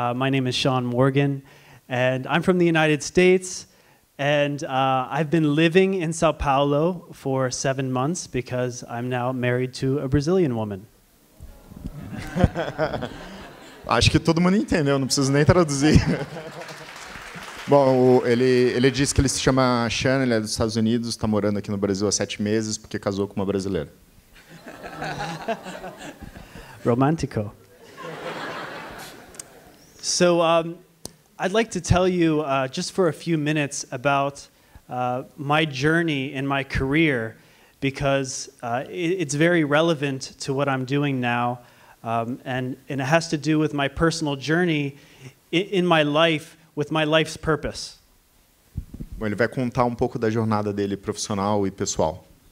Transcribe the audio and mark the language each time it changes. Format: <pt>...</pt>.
<en>My name is Sean Morgan, and I'm from the United States. And I've been living in Sao Paulo for 7 months because I'm now married to a Brazilian woman.</en> <pt>Acho que todo mundo entendeu, não preciso nem traduzir. Bom, ele disse que ele se chama Sean, ele é dos Estados Unidos, está morando aqui no Brasil há 7 meses porque casou com uma brasileira. Romântico.</pt> <en>So, I'd like to tell you just for a few minutes about my journey in my career, because it's very relevant to what I'm doing now, and it has to do with my personal journey in my life, with my life's purpose.</en> <pt>Bom, ele vai contar um pouco da jornada dele profissional e pessoal.</pt>